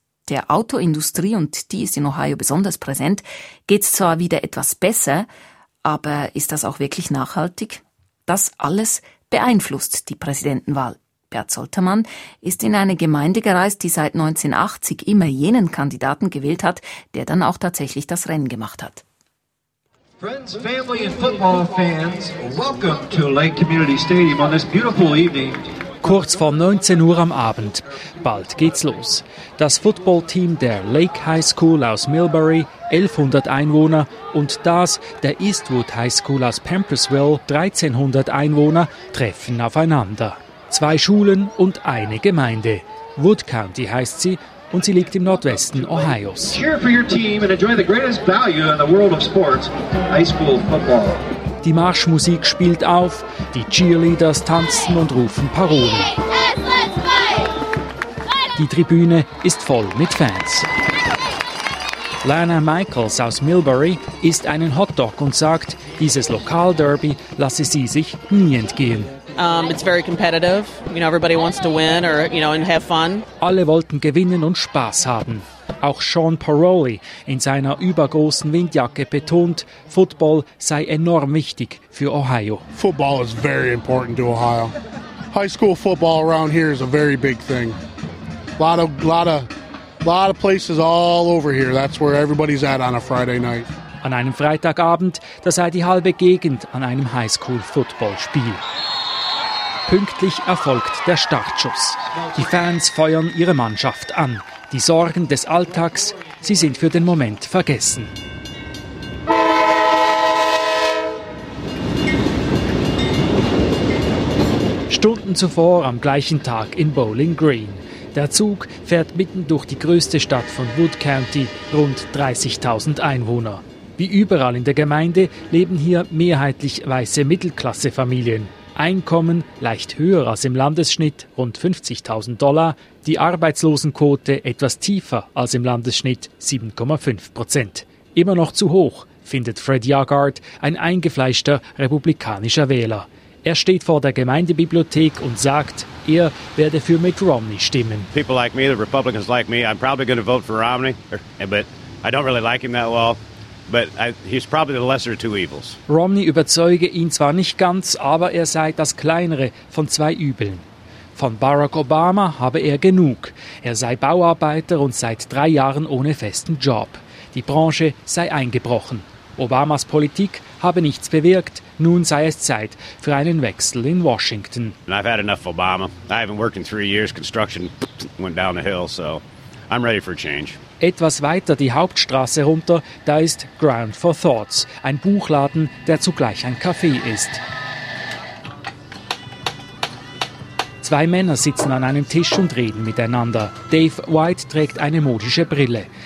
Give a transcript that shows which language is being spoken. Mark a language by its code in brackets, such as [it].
[de] Der Autoindustrie, und die ist in Ohio besonders präsent, geht es zwar wieder etwas besser, aber ist das auch wirklich nachhaltig? Das alles beeinflusst die Präsidentenwahl. Bert Soltermann ist in eine Gemeinde gereist, die seit 1980 immer jenen Kandidaten gewählt hat, der dann auch tatsächlich das Rennen gemacht hat. [en] Friends, family and football fans, welcome to Lake Community Stadium on this beautiful evening. [de] Kurz vor 19 Uhr am Abend. Bald geht's los. Das Footballteam der Lake High School aus Millbury, 1100 Einwohner, und das der Eastwood High School aus Pampersville, 1300 Einwohner, treffen aufeinander. Zwei Schulen und eine Gemeinde. Wood County heißt sie, und sie liegt im Nordwesten Ohios. [en] Cheer for your team and enjoy the greatest value in the world of sports, high school football. [de] Die Marschmusik spielt auf, die Cheerleaders tanzen und rufen Parolen. Die Tribüne ist voll mit Fans. Lana Michaels aus Millbury isst einen Hotdog und sagt, dieses Lokalderby lasse sie sich nie entgehen. [en] It's very competitive. You know, everybody wants to win or, you know, and have fun. [de] Alle wollten gewinnen und Spaß haben. Auch Sean Paroli in seiner übergroßen Windjacke betont, Football sei enorm wichtig für Ohio. [en] Football is very important to Ohio. High school football around here is a very big thing. A lot of places all over here. That's where everybody's at on a Friday night. [de] An einem Freitagabend, da sei die halbe Gegend an einem High school Football Spiel. Pünktlich erfolgt der Startschuss. Die Fans feuern ihre Mannschaft an. Die Sorgen des Alltags, sie sind für den Moment vergessen. Stunden zuvor, am gleichen Tag in Bowling Green. Der Zug fährt mitten durch die größte Stadt von Wood County, rund 30.000 Einwohner. Wie überall in der Gemeinde leben hier mehrheitlich weiße Mittelklassefamilien. Einkommen leicht höher als im Landesschnitt, rund $50,000, die Arbeitslosenquote etwas tiefer als im Landesschnitt, 7,5%. Immer noch zu hoch, findet Fred Yagard, ein eingefleischter republikanischer Wähler. Er steht vor der Gemeindebibliothek und sagt, er werde für Mitt Romney stimmen. [en] People like me, the Republicans like me, I'm probably going to vote for Romney, but I don't really like him that well. But he's probably the lesser of two evils. [de] Romney überzeuge ihn zwar nicht ganz, aber er sei das kleinere von zwei Übeln. Von Barack Obama habe er genug. Er sei Bauarbeiter und seit 3 Jahren ohne festen Job. Die Branche sei eingebrochen. Obamas Politik habe nichts bewirkt. Nun sei es Zeit für einen Wechsel in Washington. [en] I've had enough of Obama. I haven't worked in 3 years. Construction went down the hill, so I'm ready for change. [de] Etwas weiter die Hauptstraße runter, da ist Ground for Thoughts, ein Buchladen, der zugleich ein Café ist. Zwei Männer sitzen an einem Tisch und reden miteinander. Dave White trägt eine modische Brille.